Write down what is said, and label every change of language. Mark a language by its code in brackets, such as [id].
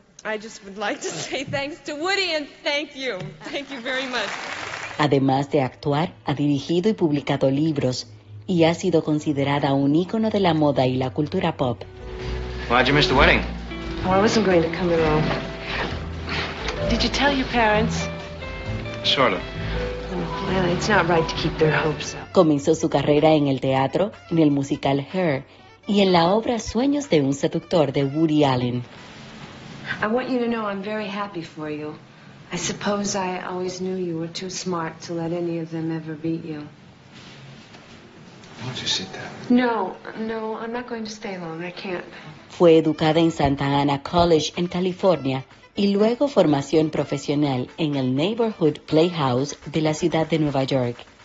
[en] I just would like to say thanks to Woody and thank you. Thank you very much. [es] Además de actuar, ha dirigido y publicado libros y ha sido considerada un ícono de la moda y la cultura pop. [en] Why'd you miss the wedding? Oh, I wasn't going to come along. Did you tell your parents? Sort of. Well, it's not right to keep their hopes up. [es] Comenzó su carrera en el teatro, en el musical Her y en la obra Sueños de un seductor de Woody Allen. [en] I want you to know I'm very happy for you. I suppose I always knew you were too smart to let any of them ever beat you. Why don't you sit down? No, I'm not going to stay long. I can't. [es] Fue educada en Santa Ana College en California y luego formación profesional en el Neighborhood Playhouse de la ciudad de Nueva York.